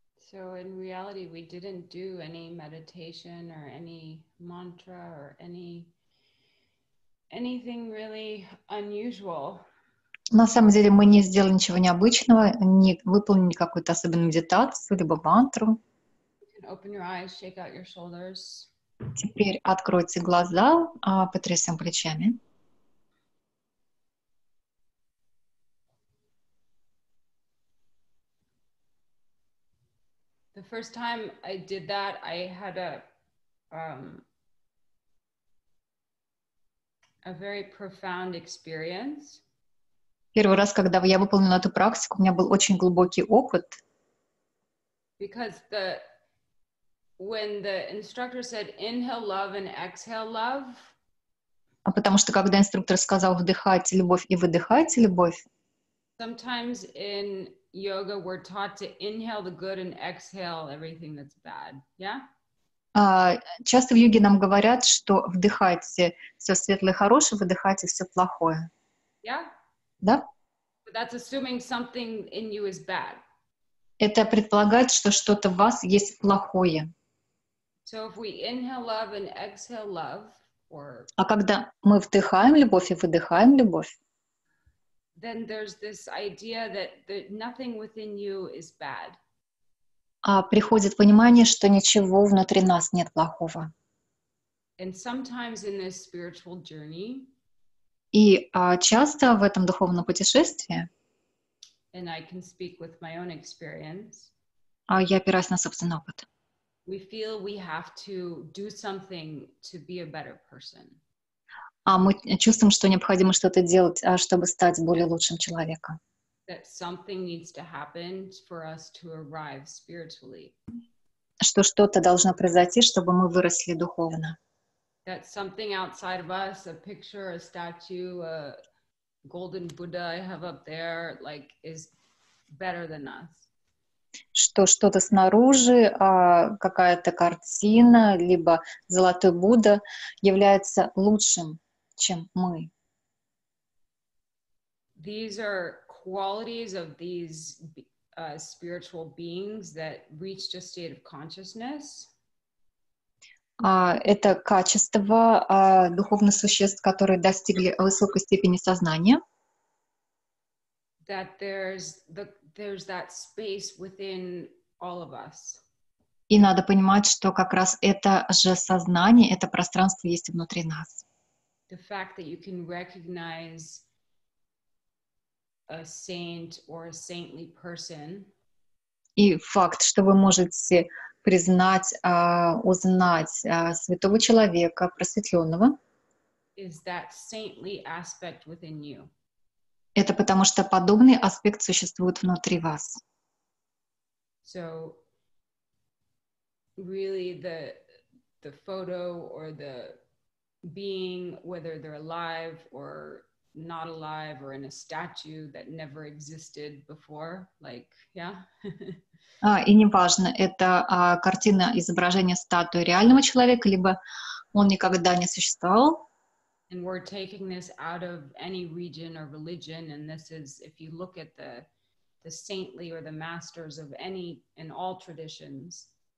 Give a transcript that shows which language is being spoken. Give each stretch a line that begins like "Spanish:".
English: So in reality, we didn't do any meditation or any mantra or anything really unusual.
Russian: На самом деле мы не сделали ничего необычного, не выполнили какую-то особенную медитацию либо мантру.
English: Open your eyes, shake out your shoulders.
Russian: Теперь откройте глаза, потрясем плечами.
English: The first time I did that, I had a very profound experience.
Russian: Первый раз, когда я выполнила эту практику, у меня был очень глубокий опыт.
English: Because when the instructor said inhale love and exhale love.
Russian: А потому что когда инструктор сказал вдыхайте любовь и выдыхайте любовь.
English: Sometimes in yoga, we're taught to inhale the good and exhale everything that's bad. Yeah?
Russian: Часто в йоге нам говорят, что вдыхайте все светлое и хорошее, выдыхайте все плохое.
English: Yeah?
Russian: Да?
English: But that's assuming something in you is bad.
Russian: Это предполагает, что что-то в вас есть плохое.
English: So if we inhale love and exhale love, or.
Russian: А когда мы вдыхаем любовь и выдыхаем любовь,
English: then there's this idea that nothing within you is bad.
Russian: Приходит понимание, что ничего внутри нас нет плохого.
English: And sometimes in this spiritual journey,
Russian: и часто в этом духовном путешествии,
English: and I can speak with my own experience,
Russian: я опираюсь на собственный опыт.
English: We feel we have to do something to be a better person.
Russian: Мы чувствуем, что необходимо что-то делать, чтобы стать более лучшим человеком.
English: That something needs to happen for us to arrive spiritually.
Russian: Что что-то должно произойти, чтобы мы выросли духовно.
English: That something outside of us, a picture, a statue, a golden Buddha I have up there, like, is better than us.
Russian: Что что-то снаружи, какая-то картина, либо золотой Будда является лучшим, чем мы.
English: These are qualities of these spiritual beings that reached a state of consciousness.
Russian: Это качество духовных существ, которые достигли высокой степени сознания.
English: That there's that space within all of us.
Russian: И надо понимать, что как раз это же сознание, это пространство есть внутри нас.
English: The fact that you can recognize a saint or a saintly person.
Russian: И факт, что вы можете признать, узнать святого человека, просветленного.
English: Is that saintly aspect within you?
Russian: Это потому, что подобный аспект существует внутри вас.
English: So, really the photo or the being, whether they're alive or not alive or in a statue that never existed before, like, yeah.
Russian: И неважно, это картина, изображение, статуи реального человека, либо он никогда не существовал.
English: And we're taking this out of any region or religion, and this is, if you look at the saintly or the masters of any and all traditions.